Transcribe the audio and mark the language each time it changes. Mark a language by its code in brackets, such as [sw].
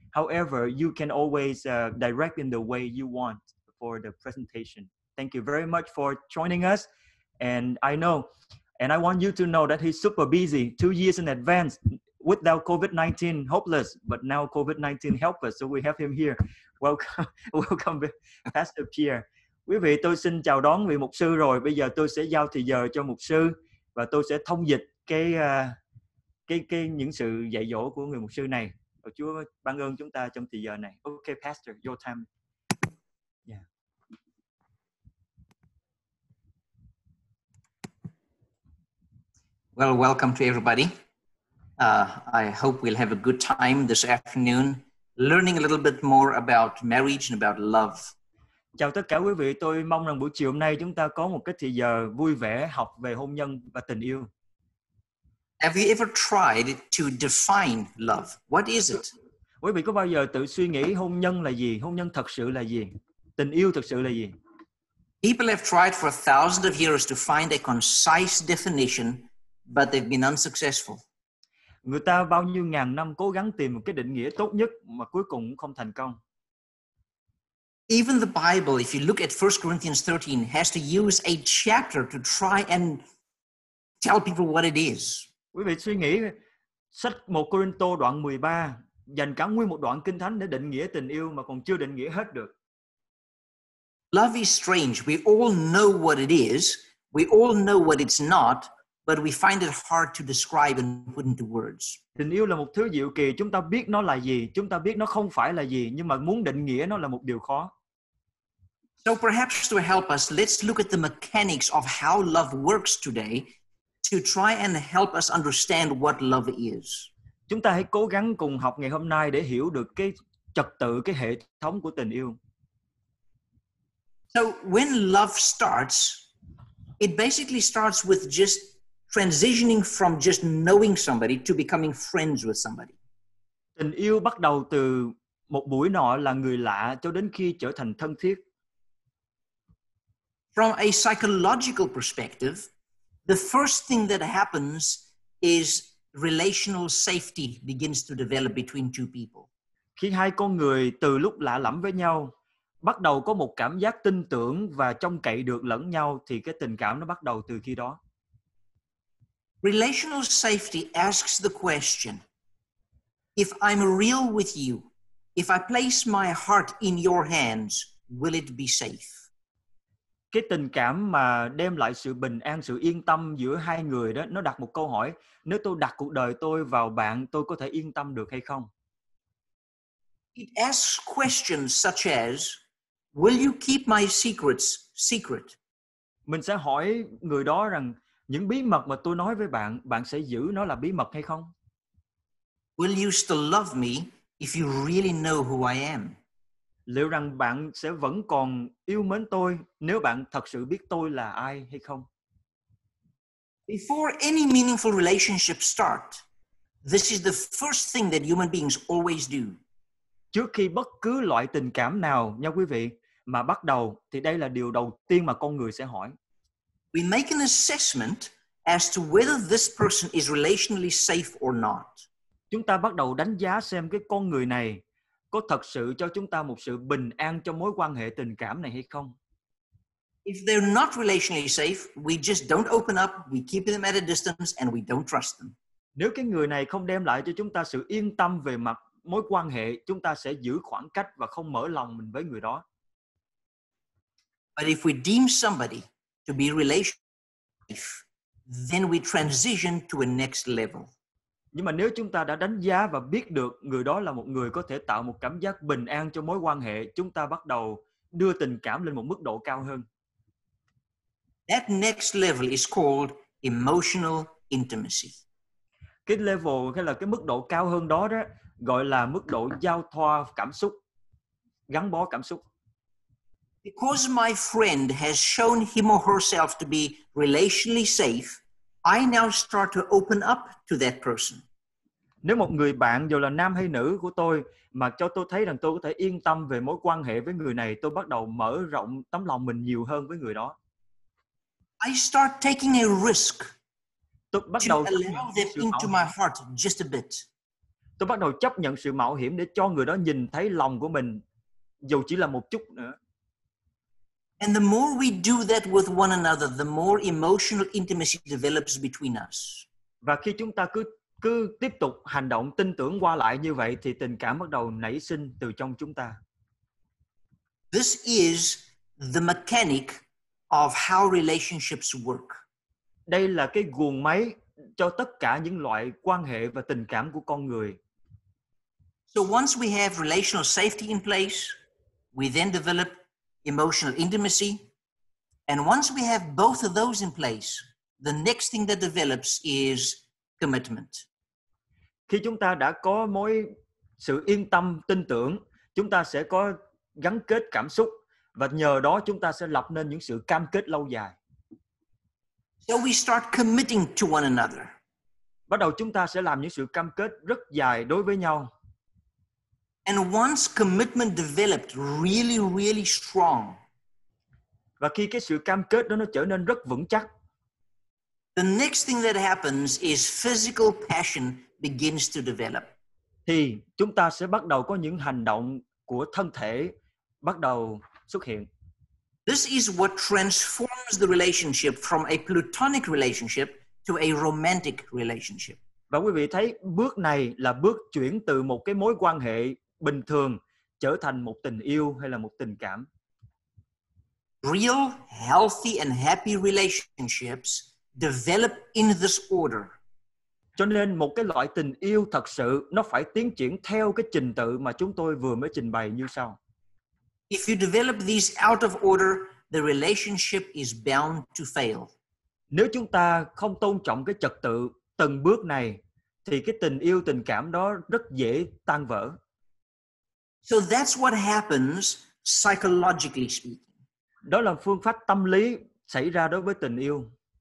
[en] However, you can always direct in the way you want for the presentation. Thank you very much for joining us. And I want you to know that he's super busy, 2 years in advance, without COVID-19, hopeless. But now COVID-19 help us, so we have him here. Welcome, Pastor Pierre. [vi] Quý vị, tôi xin chào đón vị mục sư rồi. Bây giờ tôi sẽ giao thời giờ cho mục sư và tôi sẽ thông dịch cái những sự dạy dỗ của người mục sư này. Chúa ban ơn chúng ta trong thời giờ này. [en] Okay, Pastor, your time. Yeah. Well, welcome to everybody. I hope we'll have a good time this afternoon learning a little bit more about marriage and about love. [vi] Chào tất cả quý vị. Tôi mong rằng buổi chiều hôm nay chúng ta có một cái thời giờ vui vẻ học về hôn nhân và tình yêu. [en] Have you ever tried to define love? What is it? [vi] Quý vị có bao giờ tự suy nghĩ hôn nhân là gì? Hôn nhân thật sự là gì? Tình yêu thật sự là gì? [en] People have tried for thousands of years to find a concise definition, but they've been unsuccessful. [vi] Người ta bao nhiêu ngàn năm cố gắng tìm một cái định nghĩa tốt nhất mà cuối cùng cũng không thành công. [en] Even the Bible, if you look at 1 Corinthians 13, has to use a chapter to try and tell people what it is. [vi] Quý vị suy nghĩ, sách 1 Corinto đoạn 13 dành cả nguyên một đoạn kinh thánh để định nghĩa tình yêu mà còn chưa định nghĩa hết được. [en] Love is strange. We all know what it is. We all know what it's not. But we find it hard to describe and put into words. [vi] Tình yêu là một thứ diệu kỳ. Chúng ta biết nó là gì. Chúng ta biết nó không phải là gì. Nhưng mà muốn định nghĩa nó là một điều khó. [en] So perhaps to help us, let's look at the mechanics of how love works today to try and help us understand what love is. [vi] Chúng ta hãy cố gắng cùng học ngày hôm nay để hiểu được cái trật tự, cái hệ thống của tình yêu. [en] So when love starts, it basically starts with just transitioning from just knowing somebody to becoming friends with somebody. [vi] Tình yêu bắt đầu từ một buổi nọ là người lạ cho đến khi trở thành thân thiết. [en] From a psychological perspective, the first thing that happens is relational safety begins to develop between two people. [vi] Khi hai con người từ lúc lạ lẫm với nhau bắt đầu có một cảm giác tin tưởng và trông cậy được lẫn nhau thì cái tình cảm nó bắt đầu từ khi đó. [en] Relational safety asks the question, if I'm real with you, if I place my heart in your hands, will it be safe? [vi] Cái tình cảm mà đem lại sự bình an, sự yên tâm giữa hai người đó, nó đặt một câu hỏi, nếu tôi đặt cuộc đời tôi vào bạn, tôi có thể yên tâm được hay không? [en] It asks questions such as, will you keep my secrets secret? [vi] Mình sẽ hỏi người đó rằng, những bí mật mà tôi nói với bạn, bạn sẽ giữ nó là bí mật hay không? [en] Will you still love me if you really know who I am? [vi] Liệu rằng bạn sẽ vẫn còn yêu mến tôi nếu bạn thật sự biết tôi là ai hay không? [en] Before any meaningful relationship start, this is the first thing that human beings always do. [vi] Trước khi bất cứ loại tình cảm nào, nha quý vị, mà bắt đầu, thì đây là điều đầu tiên mà con người sẽ hỏi. [en] We make an assessment as to whether this person is relationally safe or not. [vi] Chúng ta bắt đầu đánh giá xem cái con người này có thật sự cho chúng ta một sự bình an trong mối quan hệ tình cảm này hay không. [en] If they're not relationally safe, we just don't open up, we keep them at a distance and we don't trust them. [vi] Nếu cái người này không đem lại cho chúng ta sự yên tâm về mặt mối quan hệ, chúng ta sẽ giữ khoảng cách và không mở lòng mình với người đó. [en] But if we deem somebody to be relationally safe, then we transition to a next level. [vi] Nhưng mà nếu chúng ta đã đánh giá và biết được người đó là một người có thể tạo một cảm giác bình an cho mối quan hệ, chúng ta bắt đầu đưa tình cảm lên một mức độ cao hơn. [en] That next level is called emotional intimacy. [vi] Cái level hay là cái mức độ cao hơn đó đó gọi là mức độ giao thoa cảm xúc, gắn bó cảm xúc. [en] Because my friend has shown him or herself to be relationally safe, I now start to open up to that person. [vi] Nếu một người bạn, dù là nam hay nữ của tôi, mà cho tôi thấy rằng tôi có thể yên tâm về mối quan hệ với người này, tôi bắt đầu mở rộng tấm lòng mình nhiều hơn với người đó. [en] I start taking a risk. [vi] Tôi bắt đầu allow them into my heart just a bit. Tôi bắt đầu chấp nhận sự mạo hiểm để cho người đó nhìn thấy lòng của mình, dù chỉ là một chút nữa. [en] And the more we do that with one another, the more emotional intimacy develops between us. [vi] Và khi chúng ta cứ tiếp tục hành động tin tưởng qua lại như vậy thì tình cảm bắt đầu nảy sinh từ trong chúng ta. [en] This is the mechanic of how relationships work. [vi] Đây là cái guồng máy cho tất cả những loại quan hệ và tình cảm của con người. [en] So once we have relational safety in place, we then develop emotional intimacy, and once we have both of those in place, the next thing that develops is commitment. [vi] Khi chúng ta đã có mối sự yên tâm, tin tưởng, chúng ta sẽ có gắn kết cảm xúc, và nhờ đó chúng ta sẽ lập nên những sự cam kết lâu dài. [en] So we start committing to one another. [vi] Bắt đầu chúng ta sẽ làm những sự cam kết rất dài đối với nhau. [en] And once commitment developed really, really strong, [vi] và khi cái sự cam kết đó nó trở nên rất vững chắc, [en] the next thing that happens is physical passion begins to develop. [vi] Thì chúng ta sẽ bắt đầu có những hành động của thân thể bắt đầu xuất hiện. [en] This is what transforms the relationship from a platonic relationship to a romantic relationship. [vi] Và quý vị thấy bước này là bước chuyển từ một cái mối quan hệ bình thường trở thành một tình yêu hay là một tình cảm. [en] Real, healthy and happy relationships develop in this order. [vi] Cho nên một cái loại tình yêu thật sự nó phải tiến triển theo cái trình tự mà chúng tôi vừa mới trình bày như sau. [en] If you develop these out of order, the relationship is bound to fail. [vi] Nếu chúng ta không tôn trọng cái trật tự từng bước này thì cái tình yêu tình cảm đó rất dễ tan vỡ. [en] So that's what happens psychologically speaking. [vi] Đó là phương pháp tâm lý xảy ra đối với tình yêu.